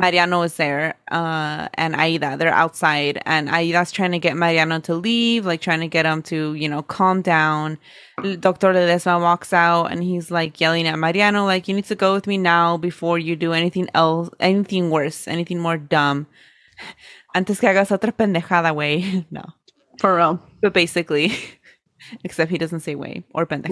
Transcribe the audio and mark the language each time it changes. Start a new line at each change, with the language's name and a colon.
English: Mariano is there, and Aida, they're outside. And Aida's trying to get Mariano to leave, like trying to get him to, you know, calm down. Dr. Ledesma walks out, and he's like yelling at Mariano, like, you need to go with me now before you do anything else, anything worse, anything more dumb.
Spanish: Antes que hagas otra pendejada, güey.
English: No. For real. But basically, except he doesn't say güey or pendejada.